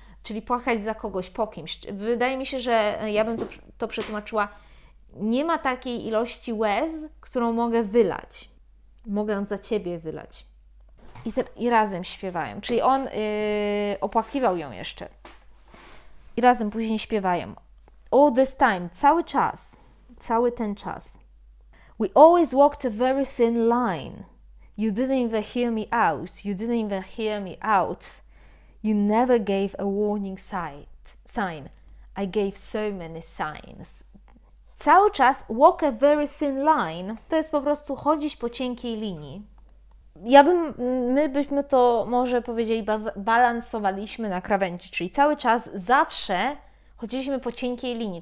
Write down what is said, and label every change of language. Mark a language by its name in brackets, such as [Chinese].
[Polish] Czyli płakać za kogoś, po kimś. Wydaje mi się, że ja bym to przetłumaczyła. Nie ma takiej ilości łez, którą mogę wylać. Mogę za ciebie wylać. I razem śpiewają. Czyli on opłakiwał ją jeszcze. I razem później śpiewają. [English] All this time, [Polish] cały czas. Cały ten czas. [English] We always walked a very thin line. You didn't even hear me out. You didn't even hear me out. You never gave a warning sign. I gave so many signs. [Polish] Cały czas [English] walk a very thin line. [Polish] To jest po prostu chodzić po cienkiej linii. My byśmy to może powiedzieli, balansowaliśmy na krawędzi. Czyli cały czas, zawsze chodziliśmy po cienkiej linii.